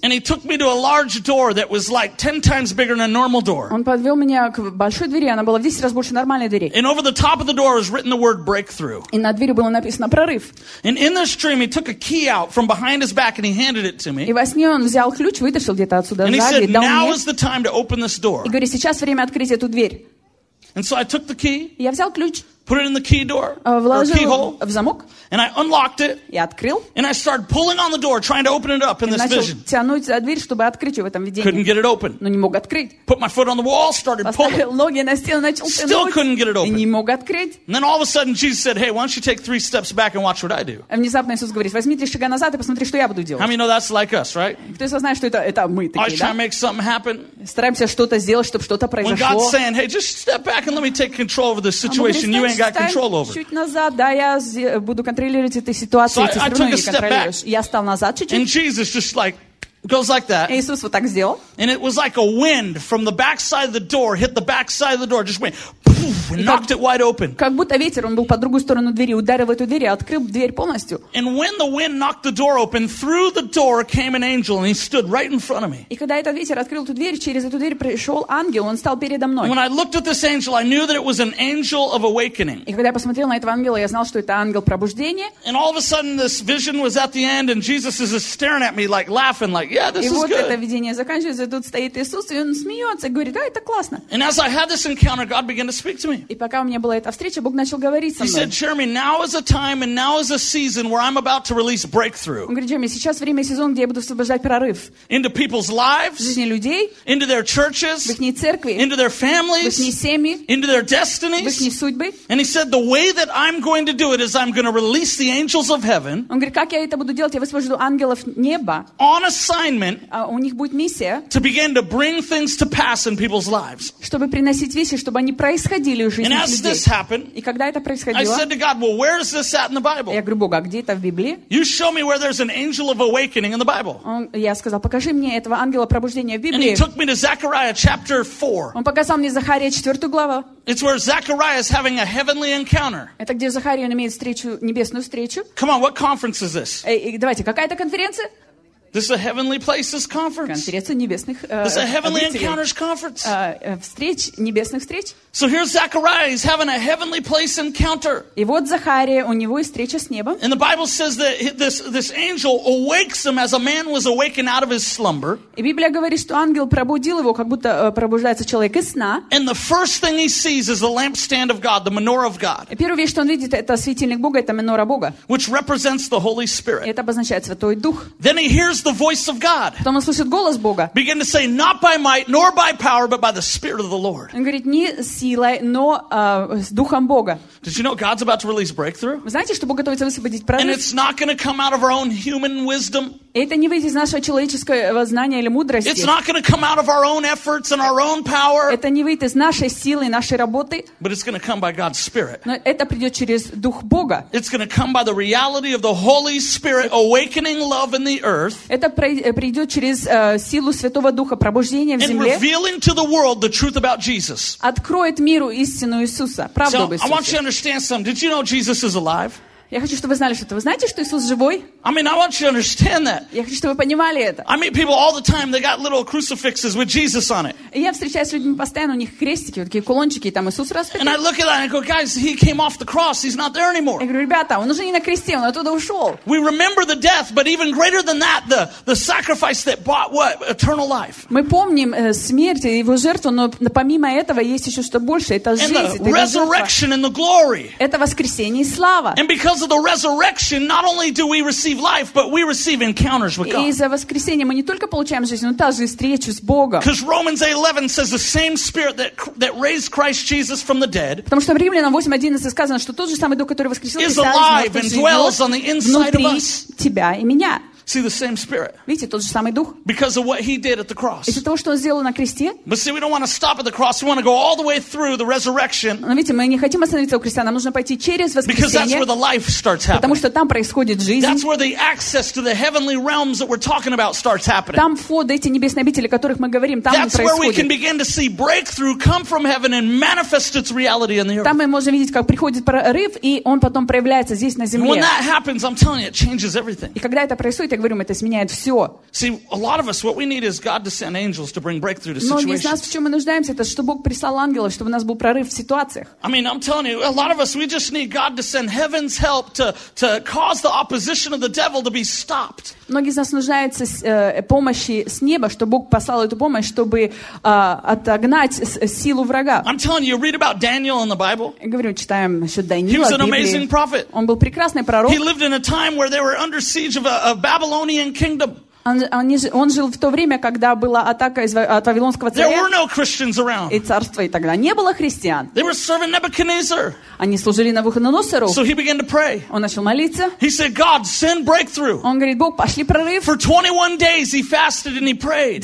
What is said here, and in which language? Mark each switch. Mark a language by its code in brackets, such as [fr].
[en] And He took me to a large door that was like 10 times bigger than a normal door. [ru] Он подвел меня к большой двери, она была в 10 раз больше нормальной двери. [en] And over the top of the door was written the word breakthrough. [ru] И на двери было написано прорыв. [en] And in this dream He took a key out from behind His back and He handed it to me. [ru] И во сне он взял ключ, вытащил где-то отсюда сзади, дал мне. [en] And He said, now is the time to open this door. [ru] И говорит, сейчас время открыть эту дверь. [en] And so I took the key. [ru] Я взял ключ. [en] Put it in the key door. [ru] Вложил [en] keyhole, [ru] в замок. [en] And I unlocked it. [ru] Я открыл. [en] And I started pulling on the door, trying to open it up in this vision. [ru] Начал тянуть за дверь, чтобы открыть ее в этом видении. [en] Couldn't get it open. [ru] Но не мог открыть. [en] Put my foot on the wall, started [ru] Поставил [en] pulling. [ru] Ноги на стену, начал [en] Still [ru] тянуть. [en] Still couldn't get it open. [ru] И не мог открыть. [en] And then all of a sudden Jesus said, "Hey, why don't you take 3 steps back and watch what I do?" [ru] А внезапно Иисус говорит, возьми 3 шага назад и посмотри, что я буду делать. [en] How many know that's like us, right? [ru] Кто из вас знает, что это мы такие, [en] Always [ru] да? [en] Try to make something happen. [ru] Стараемся что-то сделать, чтобы что-то произошло. [en] When God's saying, "Hey, just step back and let me take control over this situation," you ain't got control over. [ru] Чуть назад, да, я буду контролировать эту ситуацию, [en] so I took a step back. [ru] Я стал назад чуть-чуть. [en] And Jesus just like goes like that. [ru] Иисус вот так сделал. [en] And it was like a wind from the back side of the door hit the back side of the door, just went poof, and knocked it wide open. [ru] Как будто ветер, он был по другую сторону двери, ударил в эту дверь и открыл дверь полностью. [en] And when the wind knocked the door open, through the door came an angel, and he stood right in front of me. [ru] И когда этот ветер открыл эту дверь, через эту дверь пришел ангел, он стал передо мной. [en] When I looked at this angel, I knew that it was an angel of awakening. [ru] И когда я посмотрел на этого ангела, я знал, что это ангел пробуждения. [en] And all of a sudden, this vision was at the end, and Jesus is just staring at me, like laughing, like, yeah, this is good. [ru] И вот это видение заканчивается, и тут стоит Иисус, и он смеется, и говорит, да, это классно. [en] And as I had this encounter, God began to speak. speak to me. [ru] И пока у меня была эта встреча, Бог начал говорить со мной. [en] He said, Jeremy, now is a time and now is a season where I'm about to release breakthrough. [ru] Он говорит, Джереми, сейчас время и сезон, где я буду освобождать прорыв. [en] Into people's lives. [ru] В жизни людей. [en] Into their churches. [ru] В их церкви. [en] Into their families. [ru] В их семьи. [en] Into their destinies. [ru] В их судьбы. [en] And he said, the way that I'm going to do it is I'm going to release the angels of heaven. [ru] Он говорит, как я это буду делать? Я высвобожу ангелов неба. [en] On assignment. [ru] У них будет миссия. [en] To begin to bring things to pass in people's lives. [ru] Чтобы приносить вещи, чтобы они происходили в жизни людей. И когда это происходило, [en] I said to God, well, where is this at in the Bible? [ru] Я говорю, Бог, а где это в Библии? [en] You show me where there's an angel of awakening in the Bible. [ru] Я сказал, покажи мне этого ангела пробуждения в Библии. [en] And he took me to Zechariah chapter 4. [ru] Он показал мне Захария 4 главу. [en] It's where Zechariah is having a heavenly encounter. [ru] Это где Захария имеет встречу, небесную встречу. [en] Come on, what conference is this? [ru] Давайте, какая это конференция? [en] This is a heavenly places conference. [ru] Конференция небесных [en] This is a heavenly encounters conference. [ru] Встреч небесных встреч. [en] So here's Zechariah, he's having a heavenly place encounter. [ru] И вот Захария, у него встреча с небом. [en] And the Bible says that this angel awakes him as a man was awakened out of his slumber. [ru] И Библия говорит, что ангел пробудил его, как будто пробуждается человек из сна. [en] And the first thing he sees is the lampstand of God, the menorah of God. [ru] И первое, что он видит, это светильник Бога, это менора Бога. [en] Which represents the Holy Spirit. [ru] Это обозначает Святой Дух. [en] Then he hears the voice of God. [ru] Потом он слышит голос Бога. [en] Begin to say, not by might nor by power, but by the Spirit of the Lord. [ru] Он говорит, не силой, но с Духом Бога. [en] Did you know God's about to release breakthrough? [ru] Вы знаете, что Бог готовится высвободить прорыв? [en] And it's not going to come out of our own human wisdom. [ru] Это не выйдет из нашего человеческого знания или мудрости. [en] It's not going to come out of our own efforts and our own power. [ru] Это не выйдет из нашей силы и нашей работы. [en] But it's going to come by God's Spirit. [ru] Но это придет через Дух Бога. [en] It's going to come by the reality of the Holy Spirit awakening love in the earth. [ru] Это придет через силу Святого Духа, пробуждение в земле. [en] And revealing to the world the truth about Jesus. [ru] Откроет миру истину Иисуса, правду об Иисусе. [en] I want you to understand something. Did you know Jesus is alive? [ru] Я хочу, чтобы вы знали что-то. Вы знаете, что Иисус живой? [en] I mean, I want you to understand that. [ru] Я хочу, чтобы вы понимали это. [en] I meet people all the time, they got little crucifixes with Jesus on it. [ru] Я встречаюсь с людьми постоянно, у них крестики, вот такие кулончики, и там Иисус распятый. [en] And I look at that and I go, guys, he came off the cross, he's not there anymore. [ru] Я говорю, ребята, он уже не на кресте, он оттуда ушел. [en] We remember the death, but even greater than that, the sacrifice that bought what? Eternal life. [ru] Мы помним смерть и его жертву, но помимо этого есть еще что больше, это жизнь, это жертва. [en] And the resurrection and the glory. [ru] Это воскресение и слава. [en] And because of the resurrection, not only do we receive life, but we receive encounters with God. [ru] Из-за воскресения мы не только получаем жизнь, но также и встречу с Богом. [en] Because Romans 8:11 says the same Spirit that raised Christ Jesus from the dead. [ru] Потому что в Римлянам 8:11 сказано, что тот же самый Дух, который воскресил Христа, [en] is alive and dwells on the inside of us. [ru] Внутри тебя и меня. [en] See the same Spirit. [ru] Видите, тот же самый Дух. [en] Because of what He did at the cross. [ru] Из-за того, что Он сделал на кресте. [en] But see, we don't want to стоп at the cross. We want to go all the way through the resurrection. [ru] Но видите, мы не хотим остановиться у креста. Нам нужно пойти через воскресение. [en] Because that's where the life starts happening. [ru] Потому что там происходит жизнь. [en] That's where the access to the heavenly realms that we're talking about starts happening. [ru] Там вход эти небесные обители, о которых мы говорим, там происходит. [en] That's where we can begin to see breakthrough come from heaven and manifest its reality in the earth. [ru] Там мы можем видеть, как приходит прорыв, и он потом проявляется здесь на земле. [en] When that happens, I'm telling you, it changes everything. [ru] И когда это происходит, говорим, это сменяет все. [en] See, a lot of us, what we need is God to send angels to bring breakthrough to situations. [ru] Но из нас, в чем мы нуждаемся, это чтобы Бог прислал ангелов, чтобы у нас был прорыв в ситуациях. [en] I mean, I'm telling you, a lot of us, we just need God to send heaven's help to cause the opposition of the devil to be stopped. [ru] Многие из нас нуждаются помощи с неба, чтобы Бог послал эту помощь, чтобы отогнать силу врага. [en] I'm telling you, read about Daniel in the Bible. [ru] Говорю, читаем насчет Даниила. [en] He was an amazing prophet. [ru] Он был прекрасный пророк. [en] He lived in a time where they were under siege of a Babylonian kingdom. [ru] Он жил в то время, когда была атака от Вавилонского царя. [en] There were no Christians around. [ru] И царства и тогда не было христиан. [en] They were serving Nebuchadnezzar. [ru] Они служили Навуходоносору. [en] So he began to pray. [ru] Он начал молиться. [en] He said, God, send breakthrough. [ru] Он говорит, Бог, пошли прорыв. [en] For 21 days he fasted and he prayed.